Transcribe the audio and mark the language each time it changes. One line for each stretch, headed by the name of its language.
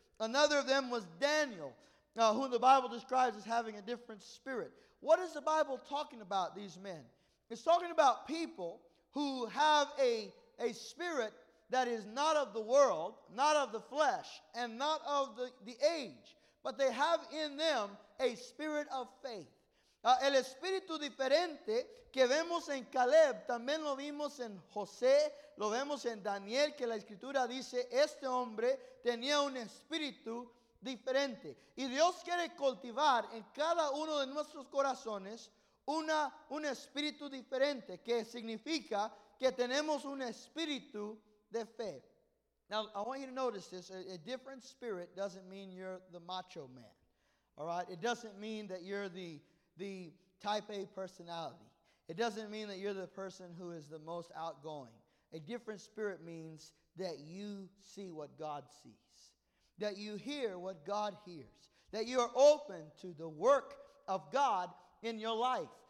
English: Another of them was Daniel, who the Bible describes as having a different spirit. What is the Bible talking about these men? It's talking about people who have a spirit that is not of the world, not of the flesh, and not of the age. But they have in them a spirit of faith.
Spanish: El espíritu diferente que vemos en Caleb, también lo vimos en José, lo vemos en Daniel, que la escritura dice, este hombre tenía un espíritu diferente. Y Dios quiere cultivar en cada uno de nuestros corazones un espíritu diferente, que significa que tenemos un espíritu de fe.
English: Now, I want you to notice this, a different spirit doesn't mean you're the macho man, all right? It doesn't mean that you're the type A personality. It doesn't mean that you're the person who is the most outgoing. A different spirit means that you see what God sees, that you hear what God hears, that you are open to the work of God in your life.